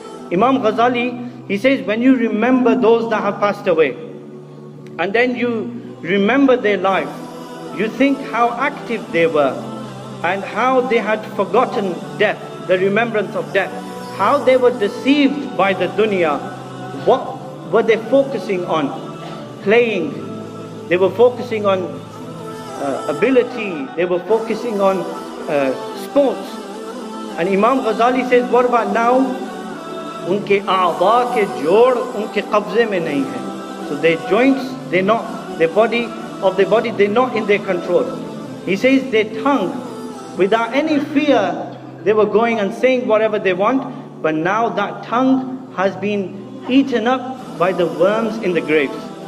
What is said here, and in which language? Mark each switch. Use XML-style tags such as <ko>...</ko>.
<en>Imam Ghazali, he says, when you remember those that have passed away, and then you remember their life, you think how active they were, and how they had forgotten death, the remembrance of death, how they were deceived by the dunya. What were they focusing on? Playing. They were focusing on ability. They were focusing on sports. And Imam Ghazali says, what about now?</en> <ur>ان کے اعضا کے جوڑ ان کے قبضے میں نہیں ہے۔</ur> <en>So their joints, they're not, their body, of their body, they're not in their control. He says their tongue, without any fear, they were going and saying whatever they want. But now that tongue has been eaten up by the worms in the graves.</en>